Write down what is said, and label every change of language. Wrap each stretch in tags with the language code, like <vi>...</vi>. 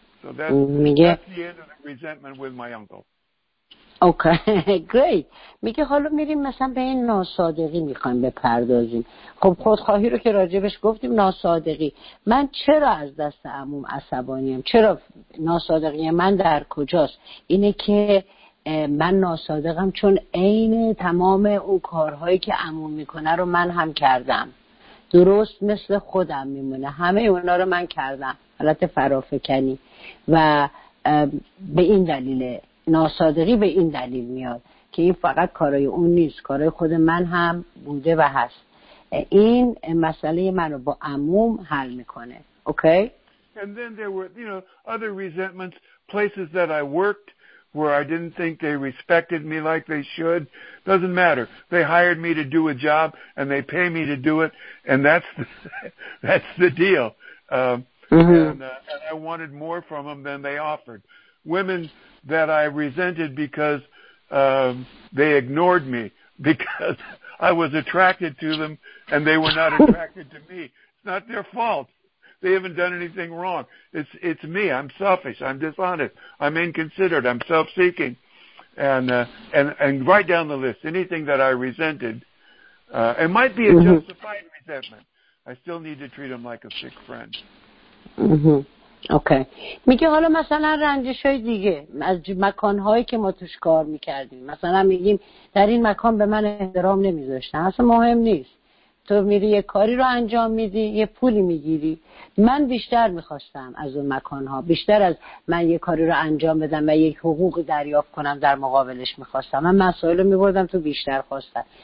<en>So that's the end of the resentment with my uncle.</en> <fa>اوکی گری میگه حالا میریم مثلا به این ناصادقی میخوایم بپردازیم. خب خودخواهی رو که راجبش گفتیم، ناصادقی. من چرا از دست عموم عصبانیم؟ چرا ناصادقی من در کجاست؟ اینه که من ناصادقم چون عین تمام اون کارهایی که عموم میکنه رو من هم کردم، درست مثل خودم میمونه، همه اونا رو من کردم، حالت فرافکنی، و به این دلیله ناصادقی. به این دلیل میاد که این فقط کارای اون نیست، کارای خود من هم بوده و هست. این مسئله منو با عموم حل میکنه. اوکی؟</fa> <en>And then there were, you know, other resentments, places that I worked where I didn't think they respected me like they should. Doesn't matter. They hired me to do a job and they pay me to do it and that's the deal. And I wanted more from them than they offered. Women that I resented because they ignored me, because I was attracted to them and they were not attracted to me. It's not their fault. They haven't done anything wrong. It's me. I'm selfish. I'm dishonest. I'm inconsiderate. I'm self-seeking. And right down the list, anything that I resented, it might be a justified resentment. I still need to treat them like a sick friend. Mm-hmm. Okay.</en> <fa>میگه حالا مثلا رنجش های دیگه از مکانهایی که ما توش کار میکردیم، مثلا میگیم در این مکان به من احترام نمیذاشتن، اصلا مهم نیست، تو میری یه کاری رو انجام میدی، یه پولی میگیری، من بیشتر میخواستم از اون مکانها، بیشتر از من یه کاری رو انجام بدم و یک حقوق دریافت کنم در مقابلش میخواستم، من مسائل رو میبردم تو بیشتر خواستم.</fa>